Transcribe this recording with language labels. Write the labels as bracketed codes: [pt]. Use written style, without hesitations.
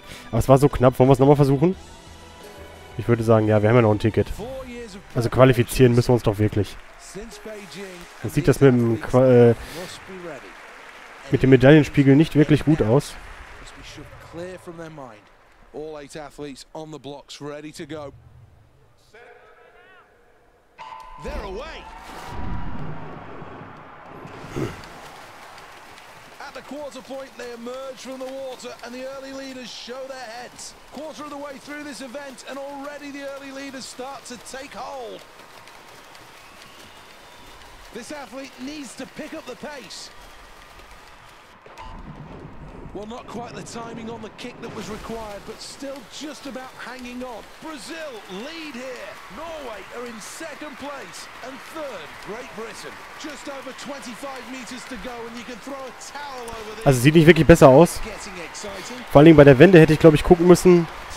[de] Aber es war so knapp. Wollen wir es nochmal versuchen? Ich würde sagen, ja, wir haben ja noch ein Ticket. Also qualifizieren müssen wir uns doch wirklich. Man sieht das mit dem Medaillenspiegel nicht wirklich gut aus. [en] Clear from their mind. All eight athletes on the blocks, ready to go. They're away. At the quarter point, they emerge from the water and the early leaders show their heads. Quarter of the way through this event and already the early leaders start to take hold. This athlete needs to pick up the pace. Well, not quite the timing on the kick that was required, but still just about hanging on. Brazil lead here. Norway are in second place. And third, Great Britain. Just over 25 meters to go and you can throw a towel over this. [de] Also sieht nicht wirklich besser aus. Vor allem bei der Wende hätte ich, glaube ich, gucken müssen.